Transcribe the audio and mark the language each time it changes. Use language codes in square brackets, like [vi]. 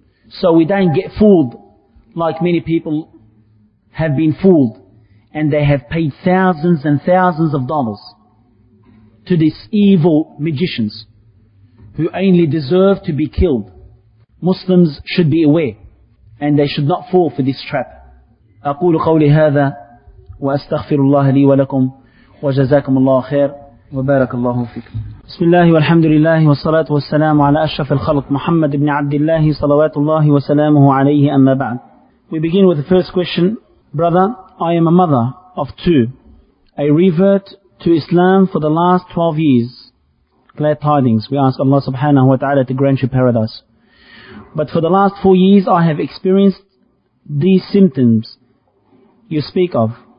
[en] So we don't get fooled like many people have been fooled. And they have paid thousands and thousands of dollars to these evil magicians who only deserve to be killed. Muslims should be aware and they should not fall for this trap. [ar] أقول قولي هذا وأستغفر الله لي ولكم وجزاكم الله خير وبارك الله فيكم. بسم الله والحمد لله والصلاة والسلام على أشرف الخلق محمد بن عبد الله صلوات الله وسلامه عليه أما بعد. [en] We begin with the first question. Brother, I am a mother of two. I revert to Islam for the last 12 years. Glad tidings. We ask Allah subhanahu wa ta'ala to grant you paradise. But for the last 4 years I have experienced these symptoms you speak of.